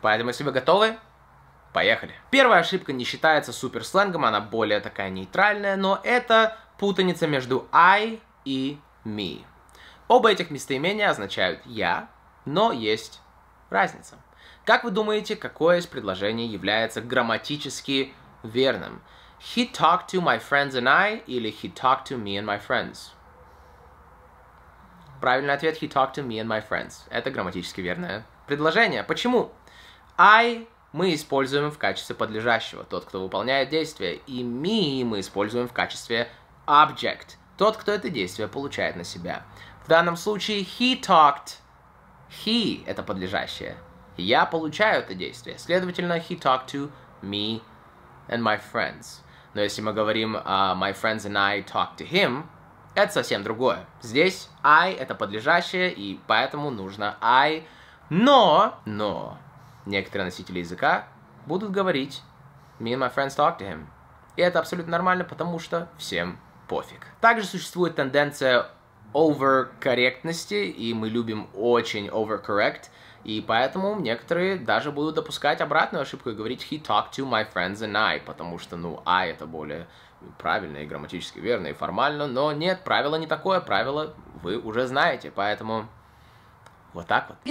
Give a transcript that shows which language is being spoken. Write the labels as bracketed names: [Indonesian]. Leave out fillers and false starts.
[Russian] Поэтому, если вы готовы, поехали. Первая ошибка не считается суперсленгом, она более такая нейтральная, но это путаница между I и me. Оба этих местоимения означают «я», но есть разница. Как вы думаете, какое из предложений является грамматически верным? [English] He talked to my friends and I или he talked to me and my friends? [Russian] Правильный ответ [English] «he talked to me and my friends». [Russian] Это грамматически верное предложение. Почему? I мы используем в качестве подлежащего, тот, кто выполняет действие, и me мы используем в качестве object, тот, кто это действие получает на себя. В данном случае [English] he talked, [Russian] he — это подлежащее. Я получаю это действие. Следовательно, [English] he talked to me and my friends. [Russian] Но если мы говорим [English] my friends and I talked to him, это совсем другое. [Russian] Здесь I — это подлежащее, и поэтому нужно I. Но некоторые носители языка будут говорить [English] me and my friends talked to him. [Russian] И это абсолютно нормально, потому что всем пофиг. Также существует тенденция over-корректности, и мы любим очень over-correct, и поэтому некоторые даже будут допускать обратную ошибку и говорить [English] he talked to my friends and I, [Russian] потому что, ну, I это более правильно и грамматически верно и формально, но нет, правило не такое, правило вы уже знаете, поэтому вот так вот.